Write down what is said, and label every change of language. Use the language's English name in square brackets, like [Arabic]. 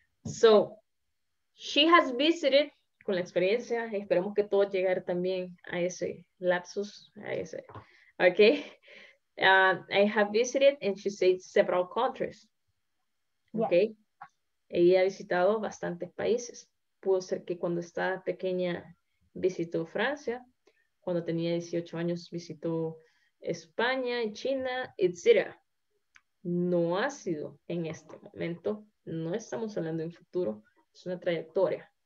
[English] So, she has visited, [Spanish] con la experiencia, esperemos que todo llegue también a ese lapsus, a ese, okay. [English] I have visited, and she said several countries. [Spanish] Okay. Yes. Ella ha visitado bastantes países. Pudo ser que cuando estaba pequeña visitó Francia, cuando tenía 18 años visitó España y China, etc. No ha sido en este momento, no estamos hablando en futuro, es una trayectoria.